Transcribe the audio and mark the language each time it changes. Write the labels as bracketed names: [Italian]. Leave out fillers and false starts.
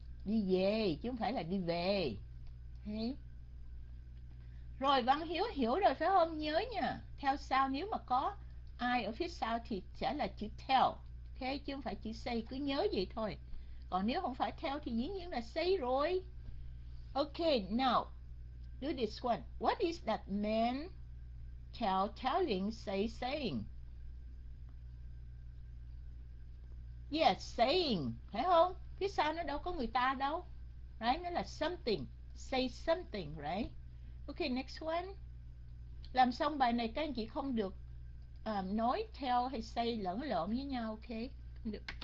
[Vietnamese] Đi về chứ không phải là đi về. Thế rồi Văn Hiếu hiểu rồi phải không? Nhớ nha, theo sau nếu mà có ai ở phía sau thì sẽ là chữ tell. Thế chứ không phải chữ say, cứ nhớ vậy thôi. Còn nếu không phải theo thì dĩ nhiên là say rồi. [English] Ok, now do this one. What is that man tell telling say saying? Yes, yeah, saying. [Vietnamese] Phải không? Phía sau nó đâu có người ta đâu. Right, nó là something. [English] Say something, right? Ok, next one. [Vietnamese] Làm xong bài này các anh chị không được nói tell hay say lẫn lộn với nhau. Ok, được.